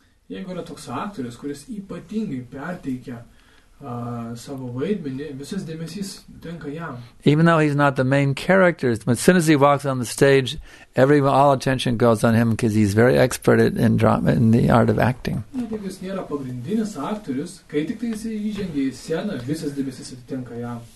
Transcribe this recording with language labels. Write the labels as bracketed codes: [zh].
[lt] Jeigu yra toks aktorius, kuris ypatingai perteikia savo vaidmenį, visas dėmesys tenka jam. [en] Even though he's not the main character, as soon as he walks on the stage, all attention goes on him because he's very expert in drama, in the art of acting. [lt] Jeigu jis nėra pagrindinis aktorius, kai tik jis įžengia į sceną, visas dėmesys tenka jam.